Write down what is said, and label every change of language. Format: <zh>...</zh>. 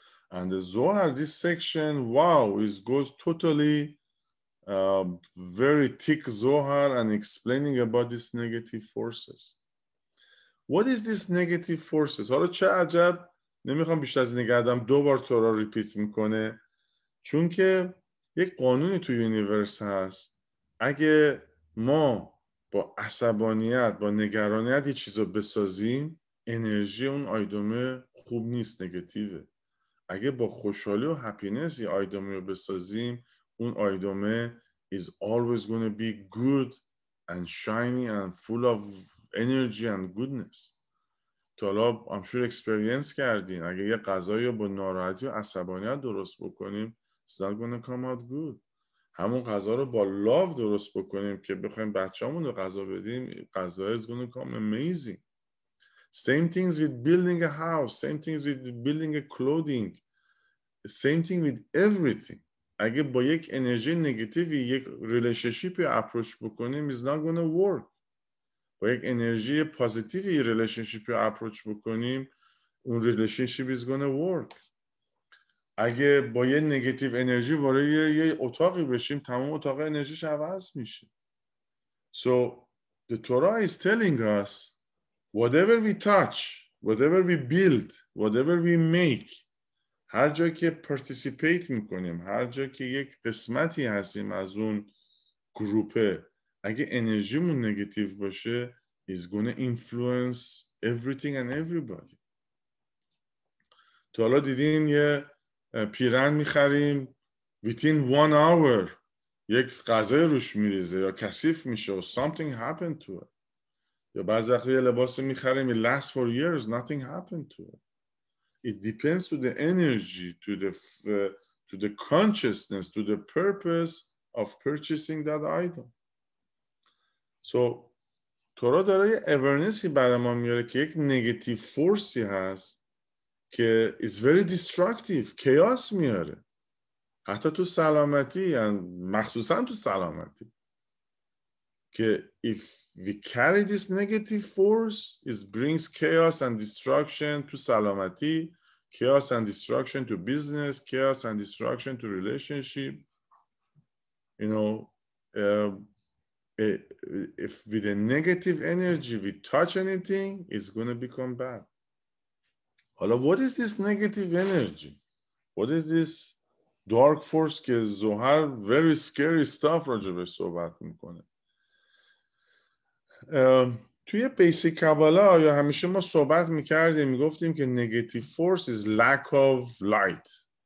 <en>And the Zohar, this section, wow, it goes totally very thick Zohar and explaining about these negative forces. What is this negative forces?</en> <fa>حالا چه عجب، نمیخوام بیشتر از نگه دارم، دو بار Torah repeat میکنه، چون که یک قانونی تو یونیورس هست، اگه ما با عصبانیت، با نگرانیت یه چیز رو بسازیم، انرژی اون آیدومه خوب نیست، نگتیوه. اگه با خوشحالی و هپینس یه آیدومه رو بسازیم، اون آیدومه</fa> <en>is always gonna be good and shiny and full of energy and goodness.</en> <fa>تو حالا</fa> <en>I'm sure</en> <fa>experience کردین، اگه یه غذایی رو با ناراحتی و عصبانیت درست بکنیم،</fa> <en>it's not gonna come out good.</en> <fa>همون غذا رو با love درست بکنیم که بخوایم بچه‌مون رو غذا بدیم، غذا</fa> <en>is gonna come amazing. Same things with building a house, same things with building a clothing, same thing with everything.</en> <fa>اگه با یک انرژی نگتیوی یک ریلیشنشیپ اپروچ بکنیم،</fa> <en>is not gonna work.</en> <fa>با یک انرژی پوزیتیوی ریلیشنشیپ اپروچ بکنیم، اون ریلیشنشیپ</fa> <en>is gonna work.</en> <fa>اگه با یه نگتیو انرژی وارد یه اتاقی بشیم، تمام اتاق انرژیش عوض میشه.</fa> <en>So the Torah is telling us whatever we touch, whatever we build, whatever we make،</en> <fa>هر جا که پارتیسیپیت میکنیم، هر جا که یک قسمتی هستیم از اون گروپه، اگه انرژیمون نگتیو باشه،</fa> <en>is gonna influence everything and everybody.</en> <fa>تو حالا دیدین یه پیرن میخریم،</fa> <en>within one hour</en> <fa>یک غذای روش میریزه یا کثیف میشه،</fa> <en>or something happened to it.</en> <fa>یا بعض وقتی یه لباس میخریم،</fa> <en>it lasts for years, nothing happened to it. It depends to the energy, to the consciousness, to the purpose of purchasing that item. So Torah داره یه awarenessی</en> <fa>برای ما میاره که یک</fa> <en>negative forcei هست که is very destructive، chaos میاره حتی تو سلامتی، مخصوصا تو سلامتی، که if we carry this negative force it brings chaos and destruction to سلامتی، chaos and destruction to business، chaos and destruction to relationship. You know, if with a negative energy we touch anything, it's going to become bad. حالا what is this negative energy? What is this dark force</en> <fa>که زهر</fa> <en>very scary stuff</en> <fa>راجع به صحبت میکنه؟ توی بیسیک کابالا یا همیشه ما صحبت میکردیم، میگفتیم که نگتیو فورس از lack of light.</fa>